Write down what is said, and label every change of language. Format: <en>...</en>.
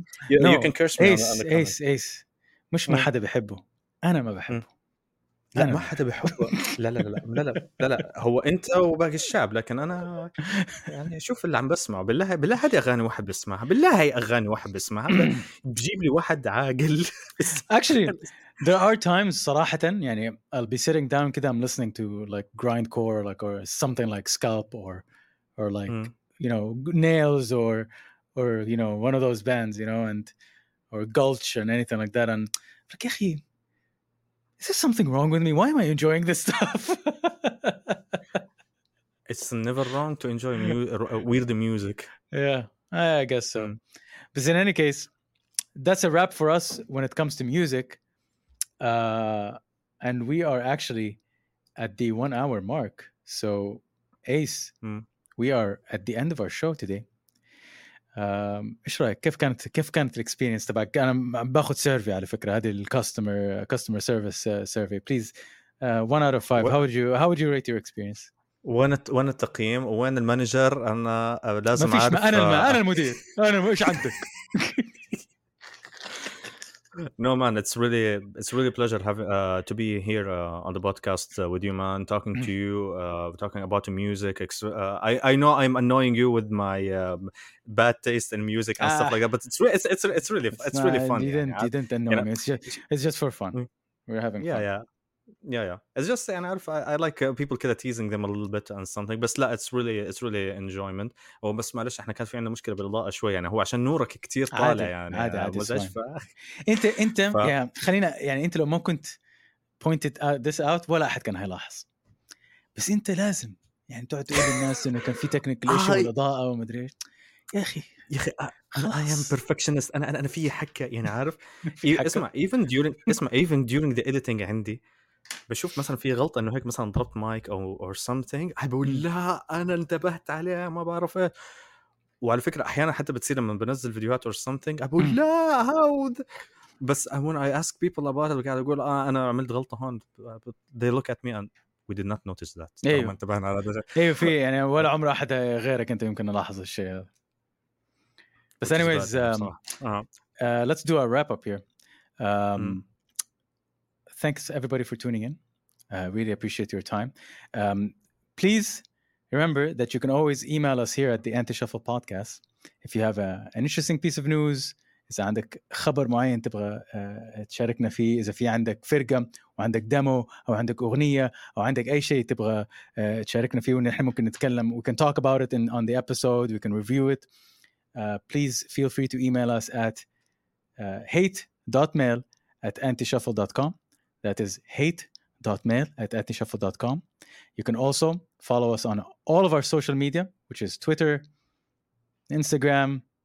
<en>you can curse me ace</en> <ar>مش ما حدا بحبه أنا ما بحبه لا ما حدا بحبه لا لا لا لا لا لا, لا هو أنت وباقي الشعب لكن أنا يعني شوف اللي عم بسمعه بالله هذه أغاني واحد بسمعها بالله هي أغاني واحد بسمعها بجيب لي واحد عاقل</ar> <en>actually there are times</en> <ar>صراحة يعني</ar> <en>I'll be sitting down كده I'm listening to like grindcore like or something like scalp or like you know nails or you know one of those bands you know and or gulch and anything like that and like</en> <ar>يا أخي</ar> <en>is there something wrong with me? Why am I enjoying this stuff? It's never wrong to enjoy weird music. Yeah, I guess so. But in any case, that's a wrap for us when it comes to music. And we are actually at the 1 hour mark. So, Ace, we are at the end of our show today.</en> <ar>ايش رايك كيف كانت الاكسبيرينس تبعك؟ انا باخذ سيرفي على فكره هذه الكاستمر سيرفيس سيرفي</ar> <en>Please 1 out of 5 how would you rate your experience?</en> <ar>وين التقييم وين المانجر؟ انا لازم اعرف انا المدير انا ايش عندك؟</ar> <en>No man, it's really a pleasure to be here on the podcast with you, man. Talking to you, talking about the music. I know I'm annoying you with my bad taste in music and stuff like that, but it's really fun. You didn't annoy me. It's just for fun. We're having fun. Yeah. It's just and I like people kind of teasing them a little bit and something. But لا, it's really enjoyment.</en> <ar>Oh, بس معلش إحنا كان في عندنا مشكلة بالإضاءة شوي يعني هو عشان نورك كتير طالع يعني. أنت خلينا يعني أنت لو ما كنت</ar> <en>pointed this out</en> <ar>ولا أحد كان هيلاحظ. بس أنت لازم يعني تقعد تقول للناس إنه كان في</ar> <en>technical issue</en> <ar>بالإضاءة وما أدري إيش. يا أخي</ar> <en>I am perfectionist.</en> <ar>أنا في حكة يعني عارف.</ar> <en>even during the editing عندي.</en> <ar>بشوف مثلا في غلطة انه هيك مثلا ضربت مايك او something بقول لا انا انتبهت عليها ما بعرف ايه. وعلى فكرة احيانا حتى بتصير لما بنزل فيديوهات</ar> <en>or something</en> <ar>بقول لا هاود بس</ar> <en>when I ask people about it</en> <ar>بقول انا عملت غلطة هون</ar> <en>they look at me and we did not notice that.</en> <ar>ايوه انتبهنا على ده. ايوه في يعني ولا عمر احد غيرك انت يمكن نلاحظ الشيء هذا.</ar> <en>But anyways, let's do our wrap up here. Thanks everybody for tuning in. Really appreciate your time. Please remember that you can always email us here at the Antishuffle Podcast if you have an interesting piece of news.</en> <ar>Is عندك خبر معين تبغى تشاركنا فيه؟ إذا في عندك فرقة وعندك demo أو عندك أغنية أو عندك أي شيء تبغى تشاركنا فيه ونحن ممكن نتكلم.</ar> <en>We can talk about it on the episode. We can review it. Please feel free to email us at hate.mail@antishuffle.com. That is hate.mail@antishuffle.com. You can also follow us on all of our social media, which is Twitter, Instagram.</en>